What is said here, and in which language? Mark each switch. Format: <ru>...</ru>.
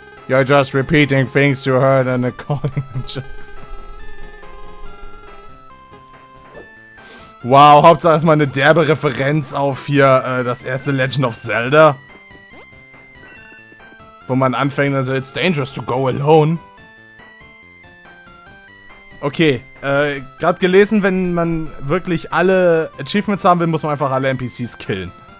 <en>You're just repeating things you heard and calling them jokes.</en> <de>Wow, Hauptsache ist mal eine derbe Referenz auf hier das erste Legend of Zelda. Wo man anfängt, also</de> <en>it's dangerous to go alone.</en> <de>Okay, gerade gelesen, wenn man wirklich alle Achievements haben will, muss man einfach alle NPCs killen.</de>